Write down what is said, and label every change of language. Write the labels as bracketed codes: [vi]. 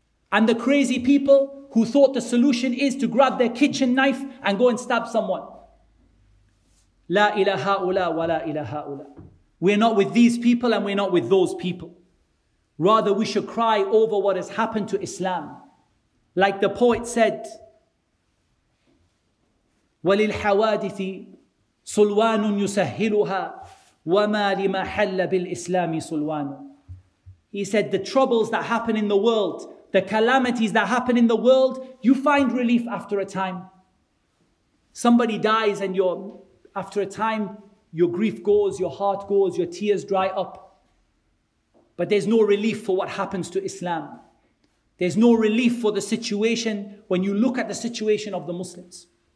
[en] And the crazy people who thought the solution is to grab their kitchen knife and go and stab someone. La ilaha ula wa la ilaha ula. We're not with these people and we're not with those people. Rather, we should cry over what has happened to Islam. Like the poet said, [ar] وَلِلْ حَوَادِثِ سُلْوَانٌ يُسَهِّلُهَا وَمَا لِمَا حَلَّ بِالْإِسْلَامِ سُلْوَانٌ. [en] He said, the troubles that happen in the world, the calamities that happen in the world, you find relief after a time. Somebody dies and after a time, your grief goes, your heart goes, your tears dry up. But there's no relief for what happens to Islam. There's no relief for the situation when you look at the situation of the Muslims.